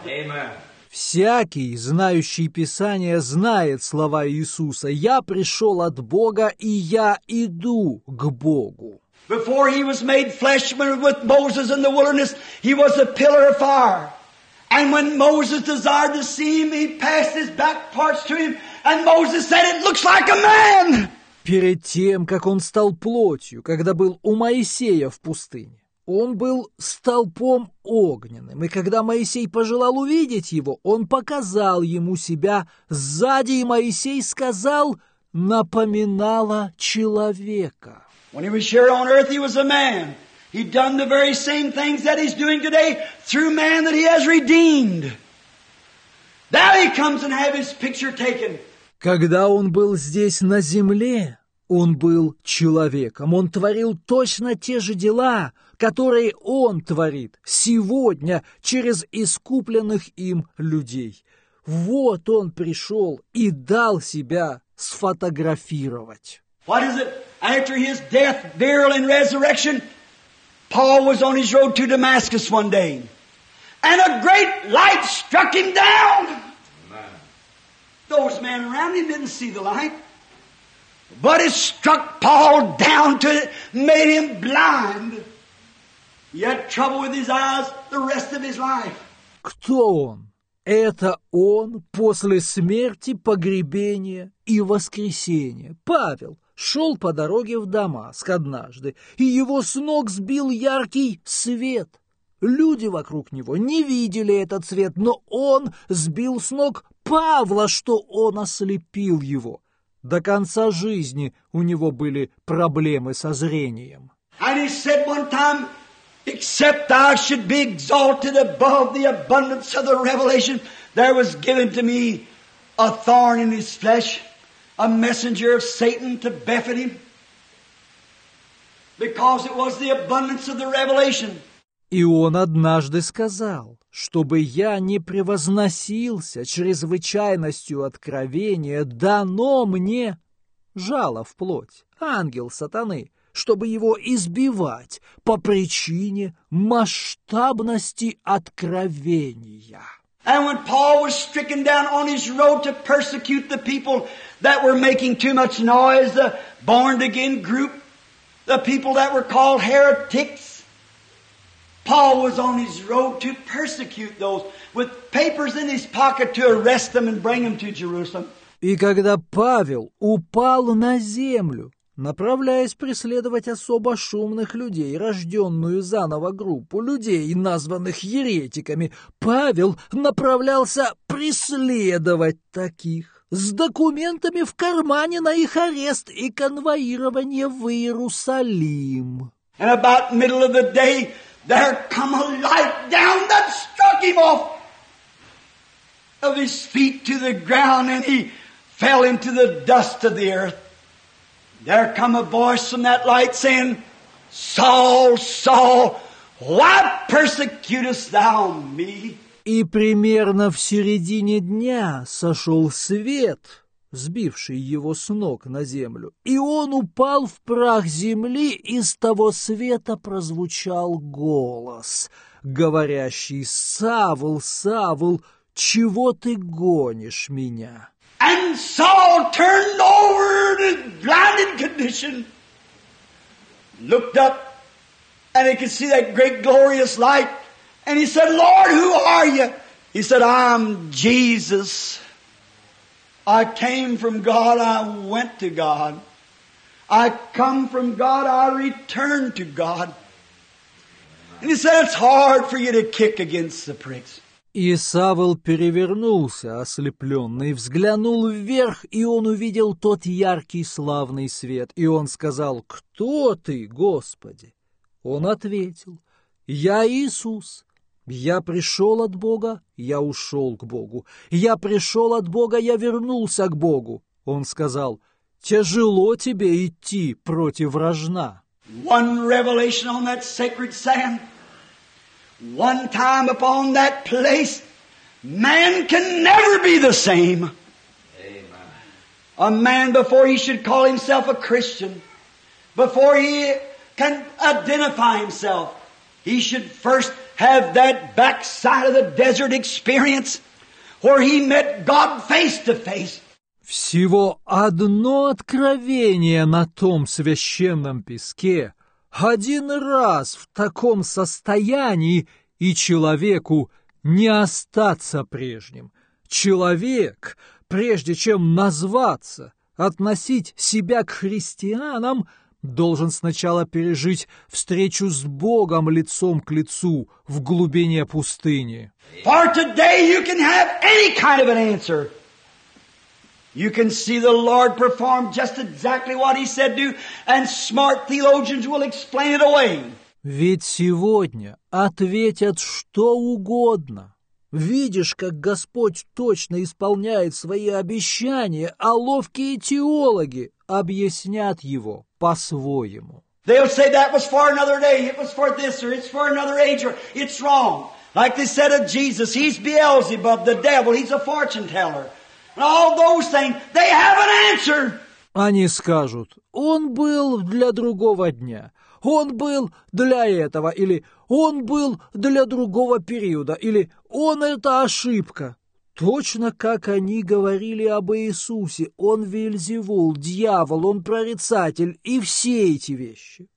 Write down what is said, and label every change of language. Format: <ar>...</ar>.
<en>Amen.</en> <ru>Всякий, знающий Писание, знает слова Иисуса. Я пришел от Бога и я иду к Богу.</ru> <en>Before he was made flesh with Moses in the wilderness, he was a pillar of fire. And when Moses desired to see him, he passed his back parts to him. And Moses said, "It looks like a man."</en> <ru>Перед тем, как он стал плотью, когда был у Моисея в пустыне, он был столпом огненным. И когда Моисей пожелал увидеть его, он показал ему себя сзади, и Моисей сказал, напоминало человека.</ru> <en>When he was here on earth, he was a man. He'd done the very same things that he's doing today through man that he has redeemed. Now he comes and have his picture taken.</en> <ru>Когда он был здесь на земле, он был человеком. Он творил точно те же дела, которые он творит сегодня через искупленных им людей. Вот он пришел и дал себя сфотографировать.</ru> <en>What is it? After his death, burial, and resurrection, Paul was on his road to Damascus one day, and a great light struck him down. Those men around him didn't see the light, but it struck Paul down to it, made him blind. He had trouble with his eyes the rest of his life.</en> <ru>Кто он? Это он после смерти, погребения и воскресения. Павел шел по дороге в Дамаск однажды, и его с ног сбил яркий свет. Люди вокруг него не видели этот свет, но он сбил с ног Павла, что он ослепил его. До конца жизни у него были проблемы со зрением.</ru> <en>And he said one time, except I should be exalted above the abundance of the revelation, there was given to me a thorn in his flesh, a messenger of Satan to buffet him, because it was the abundance of the revelation.</en> <ru>И он однажды сказал, чтобы я не превозносился чрезвычайностью откровения, дано мне жало в плоть, ангел сатаны, чтобы его избивать по причине масштабности откровения.</ru> <en>And when Paul was stricken down on his road to persecute the people that were making too much noise, the born-again group, the people that were called heretics, Paul was on his road to persecute those with papers in his pocket to arrest them and bring them to Jerusalem.</en> <ru>И когда Павел упал на землю, направляясь преследовать особо шумных людей, рожденную заново группу людей, названных еретиками, Павел направлялся преследовать таких с документами в кармане на их арест и конвоирование в Иерусалим.</ru> <en>And about middle of the day, there come a light down that struck him off of his feet to the ground, and he fell into the dust of the earth. There come a voice from that light saying, Saul, Saul, why persecutest thou me?</en> <ru>И примерно в середине дня сошел свет, сбивший его с ног на землю, и он упал в прах земли, и с того света прозвучал голос, говорящий: «Савл, Савл, чего ты гонишь меня?»</ru> <en>And Saul turned over in his blinded condition, looked up, and he could see that great glorious light, and he said, Lord, who are you? He said, I'm Jesus. I came from God, I went to God. I come from God, I returned to God. And he said, it's hard for you to kick against the pricks.</en> <ru>И Савл перевернулся, ослепленный, взглянул вверх, и он увидел тот яркий славный свет. И он сказал, «Кто ты, Господи?» Он ответил, «Я Иисус. Я пришел от Бога, я ушел к Богу. Я пришел от Бога, я вернулся к Богу». Он сказал, «Тяжело тебе идти против рожна».</ru> <en>One revelation on that sacred sand. One time upon that place, man can never be the same. Amen. A man, before he should call himself a Christian, before he can identify himself, he should first have that backside of the desert experience where he met God face to face.</en> <ru>Всего одно откровение на том священном песке. Один раз в таком состоянии, и человеку не остаться прежним. Человек, прежде чем назваться, относить себя к христианам, должен сначала пережить встречу с Богом лицом к лицу в глубине пустыни.</ru> <en>For today you can have any kind of an answer. You can see the Lord perform just exactly what He said to, and smart theologians will explain it away.</en> <ru>Ведь сегодня ответят что угодно. Видишь, как Господь точно исполняет свои обещания, а ловкие теологи объяснят его по-своему.</ru> <en>They'll say that was for another day, it was for this, or it's for another age, or it's wrong. Like they said of Jesus, He's Beelzebub, the devil, He's a fortune teller. All those things, they have an answer.</en> <ru>Они скажут, он был для другого дня, он был для этого, или он был для другого периода, или он это ошибка. Точно как они говорили об Иисусе, он Вельзевул, дьявол, он прорицатель, и все эти вещи.</ru>